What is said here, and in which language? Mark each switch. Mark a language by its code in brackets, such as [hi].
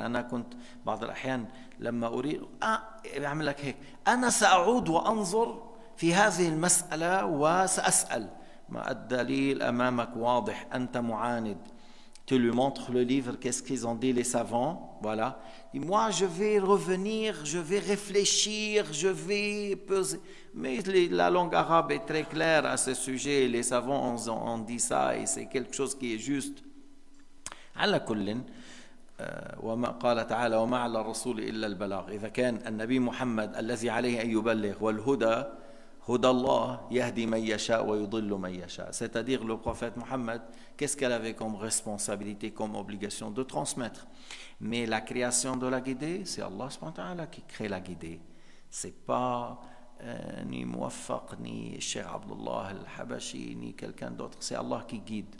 [ar] أنا كنت بعض الأحيان لما أريد أعمل لك هيك. أنا سأعود وأنظر في هذه المسألة وسأسأل. ما الدليل أمامك واضح أنت معاند. [fr] Tu lui montres le livre, qu'est-ce qu'ils ont dit les savants, voilà. Et moi je vais revenir, je vais réfléchir, je vais peser. Mais la langue arabe est très claire à ce sujet, les savants ont dit ça et c'est quelque chose qui est juste. [ar] على كل وما قال تعالى وما على الرسول إلا البلاغ. إذا كان النبي محمد الذي عليه أن يبلغ والهدى هدى الله يهدي من يشاء ويضل من يشاء. [fr] C'est-à-dire le prophète Mohammed, qu'est-ce qu'elle avait comme responsabilité, comme obligation de transmettre? Mais la création de la guidée, c'est Allah subhanahu wa ta'ala qui crée la guidée. C'est pas ni Mouafak, ni Cheikh Abdullah al-Habashi, ni quelqu'un d'autre. C'est Allah qui guide.